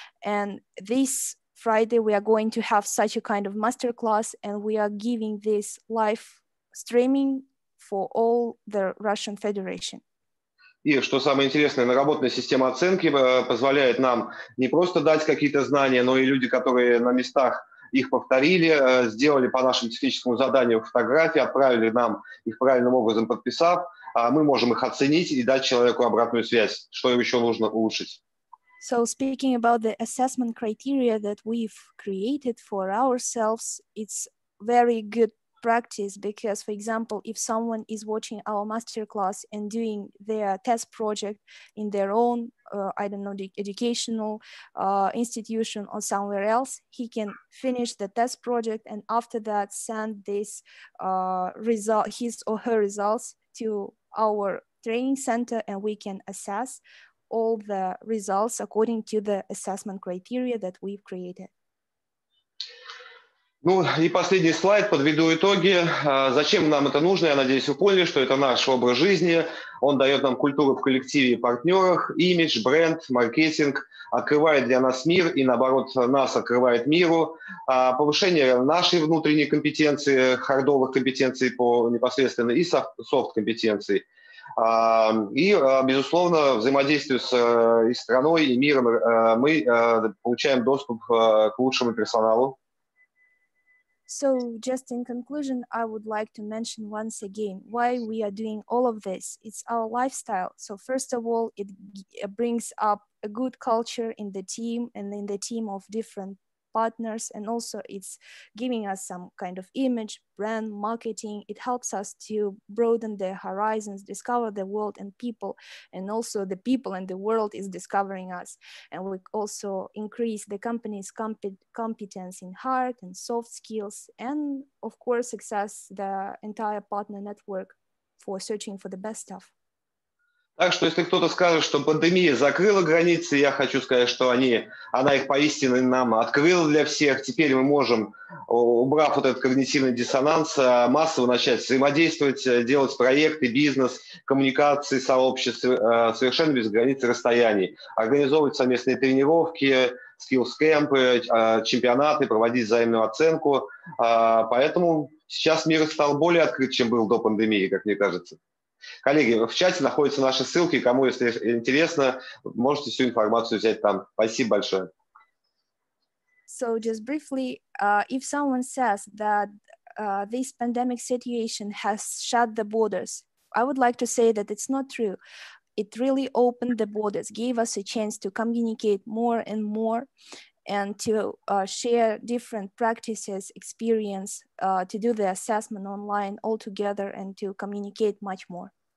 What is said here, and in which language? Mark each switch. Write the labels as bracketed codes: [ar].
[en] And this Friday, we are going to have such a kind of masterclass. And we are giving this live streaming for all the Russian Federation. [ru] И что самое интересное, наработанная система оценки позволяет нам не просто дать какие-то знания, но и люди, которые на местах их повторили, сделали по нашему техническому заданию фотографии, отправили нам их правильным образом подписав, а мы можем их оценить и дать человеку обратную связь, что им еще нужно улучшить. [en] So speaking about the assessment criteria that we've created for ourselves, it's very good practice because, for example, if someone is watching our masterclass and doing their test project in their own, I don't know, the educational institution or somewhere else, he can finish the test project and after that send this result, his or her results to our training center, and we can assess all the results according to the assessment criteria that we've created. [ru] Ну и последний слайд, подведу итоги. Зачем нам это нужно? Я надеюсь, вы поняли, что это наш образ жизни. Он дает нам культуру в коллективе и партнерах, имидж, бренд, маркетинг, открывает для нас мир и, наоборот, нас открывает миру. Повышение нашей внутренней компетенции, хардовых компетенций по непосредственно и софт-компетенций. И, безусловно, взаимодействие с и страной, и миром, мы получаем доступ к лучшему персоналу. [en] So just in conclusion, I would like to mention once again why we are doing all of this. It's our lifestyle. So first of all, it brings up a good culture in the team and in the team of different partners. And also it's giving us some kind of image, brand, marketing. It helps us to broaden the horizons, discover the world and people. And also the people and the world is discovering us. And we also increase the company's competence in hard and soft skills. And of course, access the entire partner network for searching for the best stuff. [ru] Так что, если кто-то скажет, что пандемия закрыла границы, я хочу сказать, что она их поистине нам открыла для всех. Теперь мы можем, убрав вот этот когнитивный диссонанс, массово начать взаимодействовать, делать проекты, бизнес, коммуникации, сообщества совершенно без границ и расстояний. Организовывать совместные тренировки, скиллс-кэмпы, чемпионаты, проводить взаимную оценку. Поэтому сейчас мир стал более открыт, чем был до пандемии, как мне кажется. Коллеги, в чате находятся наши ссылки, кому если интересно, можете всю информацию взять там. Спасибо большое. [en] So just briefly, if someone says that this pandemic situation has shut the borders, I would like to say that it's not true. It really opened the borders, gave us a chance to communicate more and more and to share different practices, experience, to do the assessment online all together and to communicate much more.